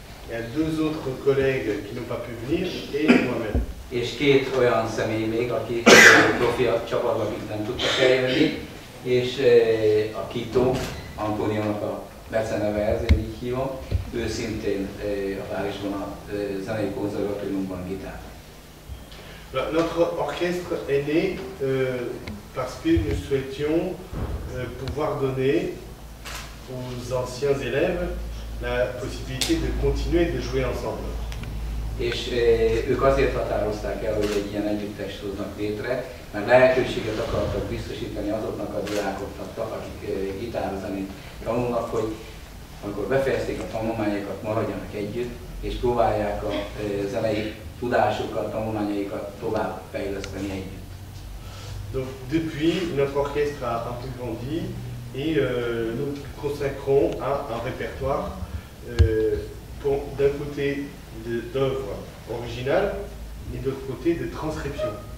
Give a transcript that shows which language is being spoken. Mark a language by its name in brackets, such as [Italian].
[French] Il y a deux autres collègues qui n'ont pas pu venir et moi-même. [Hungarian] És két olyan személy még, aki profi a csapatban, akik nem tudtak eljönni, és a Kito, Antóniónak a beceneve, ezért így hívom, ő szintén a Párizsban a zenei konzervatóriumban gitár. [French] Notre orchestre est né parce que nous souhaitions pouvoir donner aux anciens élèves la possibilité de continuer de jouer ensemble. [Hungarian] És ők azért határozták el, hogy egy ilyen együttest hoznak létre, mert lehetőséget akartak biztosítani azoknak a diákoknak, akik gitározani tanulnak, hogy amikor befejezték a tanulmányokat, maradjanak együtt, és próbálják a zenei tudásukat, tanulmányaikat tovább fejleszteni együtt. [French] Donc, depuis, notre orchestre a un peu grandi, et nous consacrons à un répertoire pour, d'un côté d'œuvres originales et d'autre côté de transcriptions.